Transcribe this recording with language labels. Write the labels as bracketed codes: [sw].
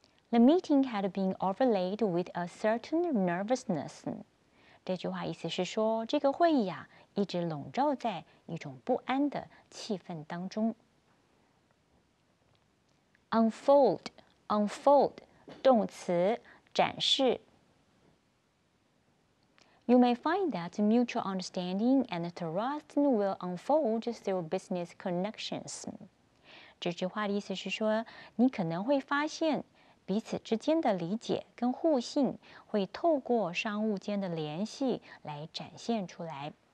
[en] The meeting had been overlaid with a certain nervousness. [zh] 这句话意思是说，这个会议一直笼罩在一种不安的气氛当中。 Unfold, 动词，展示。 [en] You may find that mutual understanding and trust will unfold through business connections. [zh] 这句话的意思是说，你可能会发现彼此之间的理解跟互信会透过商务间的联系来展现出来。